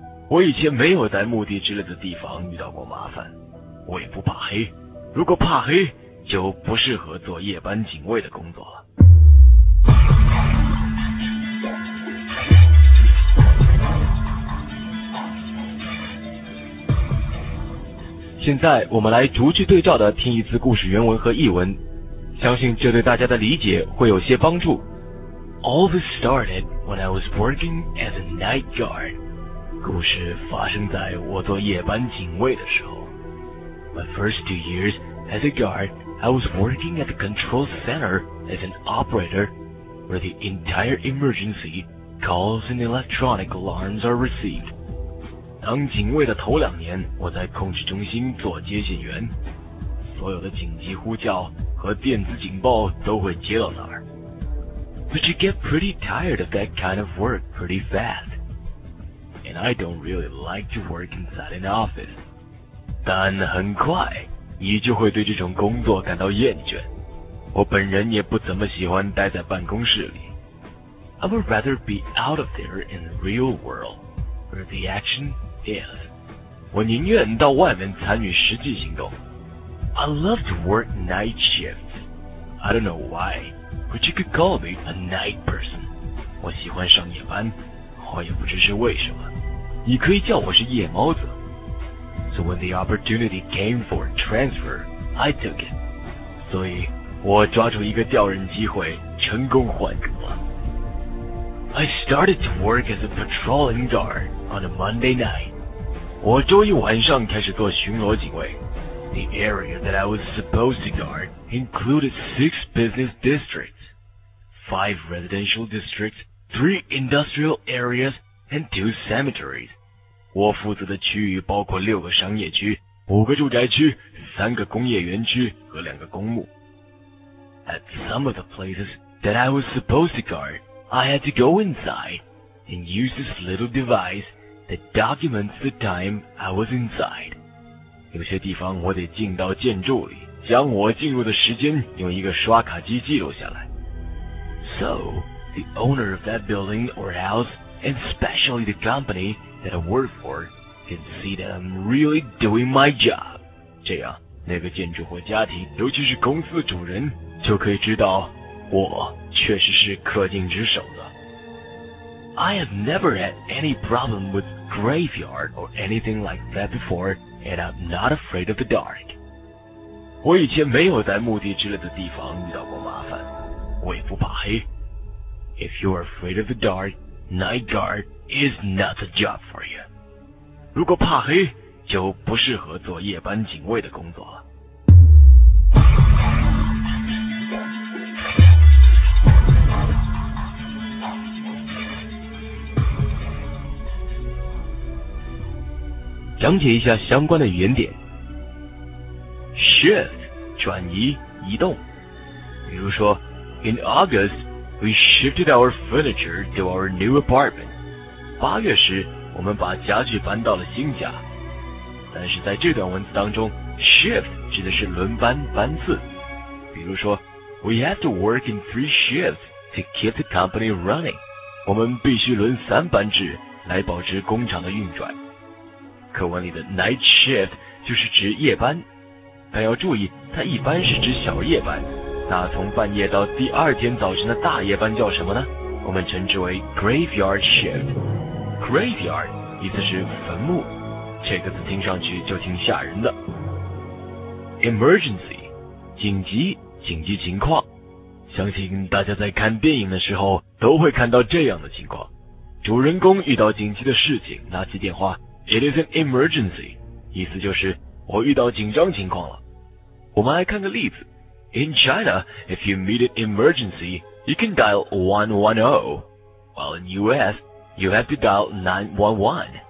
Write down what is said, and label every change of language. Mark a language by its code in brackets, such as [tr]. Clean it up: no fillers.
[zh] 我以前没有在墓地之类的地方遇到过麻烦，我也不怕黑，如果怕黑就不适合做夜班警卫的工作了。现在我们来逐句对照的听一次故事原文和译文，相信这对大家的理解会有些帮助。 [en] All this started when I was working as a night guard. [zh] 故事发生在我做夜班警卫的时候。 [en] My first 2 years as a guard, I was working at the control center as an operator where the entire emergency calls and electronic alarms are received. [zh] 当警卫的头两年，我在控制中心做接线员，所有的紧急呼叫和电子警报都会接到那儿。 [en] But you get pretty tired of that kind of work pretty fast. And I don't really like to work inside an office. [zh] 但很快，你就会对这种工作感到厌倦。我本人也不怎么喜欢待在办公室里。 [en] I would rather be out of there in the real world. Where the action is. [zh] 我宁愿到外面参与实际行动。 [en] I love to work night shifts. I don't know why, but you could call me a night person. [zh] 我喜欢上夜班，我也不知是为什么。你可以叫我是夜猫子。 [en] So when the opportunity came for transfer, I took it. [zh] 所以我抓住一个调任机会，成功换岗了。 [en] I started to work as a patrolling guard on a Monday night. [zh] 我周一晚上开始做巡逻警卫， [en] The area that I was supposed to guard included 6 business districts, 5 residential districts, 3 industrial areas, and 2 cemeteries. [zh] 我负责的区域包括6个商业区、5个住宅区、3个工业园区和2个公墓。 [en] At some of the places that I was supposed to guard, I had to go inside and use this little device that documents the time I was inside. [zh] 有些地方我得进到建筑里，将我进入的时间用一个刷卡机记录下来。 [en] So, the owner of that building or house, and especially the company that I work for, can see that I'm really doing my job. [zh] 这样，那个建筑或家庭，尤其是公司主人，就可以知道我确实是恪尽职守的。 [en] I have never had any problem with graveyard or anything like that before, and I'm not afraid of the dark. [zh] 我以前没有在墓地之类的地方遇到过麻烦，我也不怕黑。 [en] If you're afraid of the dark, night guard is not the job for you. [zh] 如果怕黑，就不适合做夜班警卫的工作了。讲解一下相关的语言点。 Shift 转移移动，比如说 [en] In August we shifted our furniture to our new apartment. [zh] 八月时我们把家具搬到了新家。但是在这段文字当中， Shift 指的是轮班班次，比如说 [en] We have to work in 3 shifts to keep the company running. [zh] 我们必须轮3班制来保持工厂的运转。课文里的 night shift 就是指夜班，但要注意它一般是指小夜班，那从半夜到第二天早晨的大夜班叫什么呢？我们称之为 graveyard shift。 graveyard 意思是坟墓，这个字听上去就挺吓人的。 [en] emergency [zh] 紧急，紧急情况，相信大家在看电影的时候都会看到这样的情况，主人公遇到紧急的事情拿起电话， [en] It is an emergency. [zh] 意思就是我遇到紧张情况了。我们来看个例子。 [en] In China, if you meet an emergency, you can dial 110. While in US, you have to dial 911.